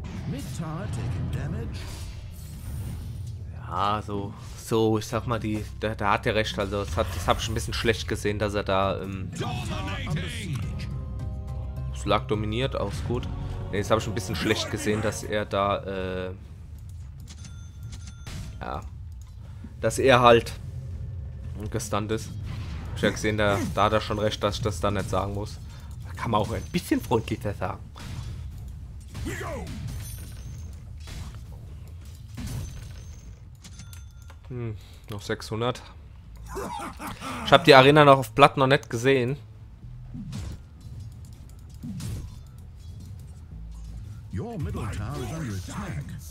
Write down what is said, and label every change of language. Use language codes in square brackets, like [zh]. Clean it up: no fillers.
[en] Mid-tower taking damage. [de] Ja, so, ich sag mal, der hat ja recht, also das hab ich ein bisschen schlecht gesehen, dass er da, Slug dominiert, auch gut. Ne, das hab ich ein bisschen schlecht gesehen, dass er da, ja, dass er halt gestunt ist. Ich hab gesehen, da hat er schon recht, dass ich das da nicht sagen muss. Da kann man auch ein bisschen freundlicher sagen. Noch 600. Ich habe die Arena noch auf Blatt noch nicht gesehen. [en] Your middle tower is under attack.